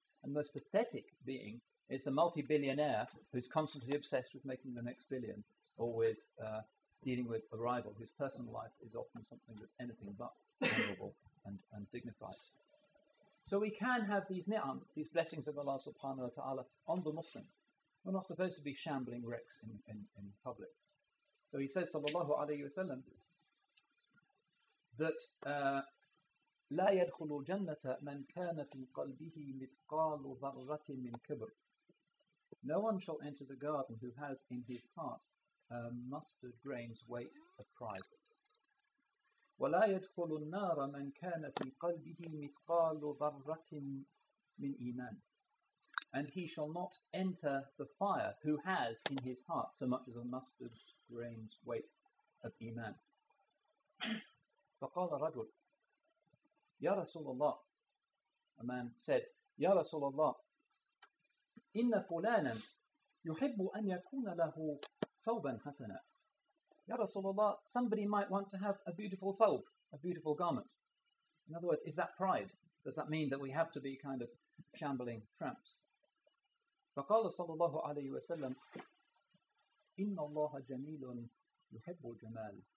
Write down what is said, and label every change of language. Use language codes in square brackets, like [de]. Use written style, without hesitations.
[en] And the most pathetic being is the multi-billionaire who's constantly obsessed with making the next billion or with dealing with a rival whose personal life is often something that's anything but honorable and dignified. So we can have these ni'am, these blessings of Allah subhanahu wa ta'ala, on the Muslim. We're not supposed to be shambling wrecks in public. So he says, [ar] sallallahu alayhi wa sallam, that لَا يَدْخُلُ الْجَنَّةَ مَنْ كَانَ فِي قَلْبِهِ مِثْقَالُ ذَرَّةٍ مِنْ كِبْرٍ. [en] No one shall enter the garden who has in his heart a mustard grain's weight of pride. [ar] وَلَا يَدْخُلُ النَّارَ مَنْ كَانَ فِي قَلْبِهِ مِثْقَالُ ذَرَّةٍ مِنْ إِيمَانٍ. [en] And he shall not enter the fire who has in his heart so much as a mustard grain's weight of iman. [ar] فَقَالَ رَجُلٌ يَا رَسُولَ اللَّهِ. [en] A man said, [ar] يَا رَسُولَ اللَّهِ إِنَّ فُلَانًا يُحِبُّ أَنْ يَكُونَ لَهُ ثَوْبًا حَسَنًا. [en] Ya Rasulullah, somebody might want to have a beautiful thawb, a beautiful garment. In other words, is that pride? Does that mean that we have to be kind of shambling tramps? [ar] فَقَالَ صَلَى اللَّهُ عَلَيْهِ وَسَلَّمْ إِنَّ اللَّهَ جَمِيلٌ يُحِبُّ الْجَمَالِ.